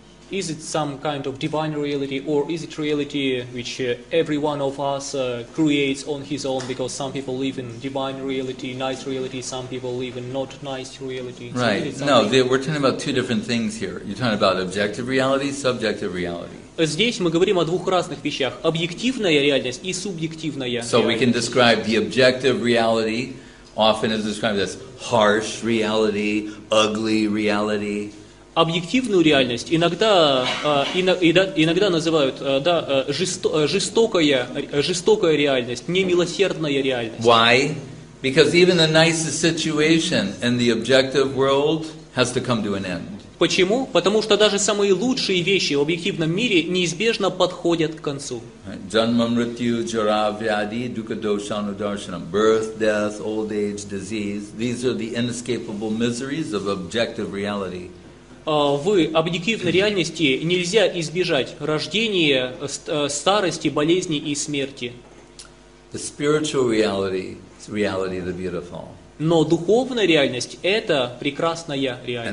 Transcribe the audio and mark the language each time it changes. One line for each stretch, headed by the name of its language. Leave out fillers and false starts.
English: Is it some kind of divine reality, or is it reality which every one of us creates on his own? Because some people live in divine reality, nice reality. Some people live in not nice reality. Right. So no, we're talking about two different things here. You're talking about objective reality, subjective reality.
Russian: Здесь мы говорим о двух разных вещах: объективная реальность и субъективная.
English: So we can describe the objective reality. Often is described as harsh reality, ugly reality.
Russian: Объективную реальность иногда называют жестокая реальность, немилосердная реальность.
English: Why? Because even the nicest situation in the objective world has to come to an end.
Russian: Почему? Потому что даже самые лучшие вещи в объективном мире неизбежно подходят к концу.
Sanskrit: Janmamrityu, jara, vyadi, dukkha, dosha, anudarshanam.
English: Birth, death, old age, disease. These are the inescapable miseries of objective reality.
Russian: В объективной реальности нельзя избежать рождения, старости, болезни и смерти.
English: The spiritual reality, reality the beautiful.
Russian: Но духовная реальность – это прекрасная реальность.